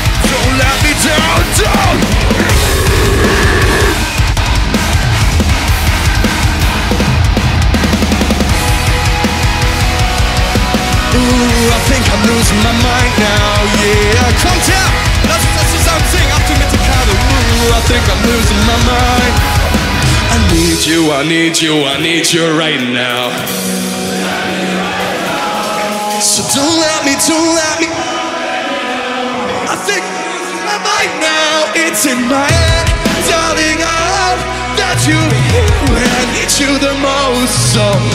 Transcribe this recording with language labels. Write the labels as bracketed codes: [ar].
[en] Don't let me down, don't. Ooh, I think I'm losing my mind now, yeah. [de] Komm her, lass uns das zusammen singen, auf die Mitte Karte. [en] Ooh, I think I'm losing my mind. I need you, I need you, I need you right now. So don't let me, don't let me. I think I'm losing my mind now. It's in my head, darling, I hope that you'll be here when I need you the most, so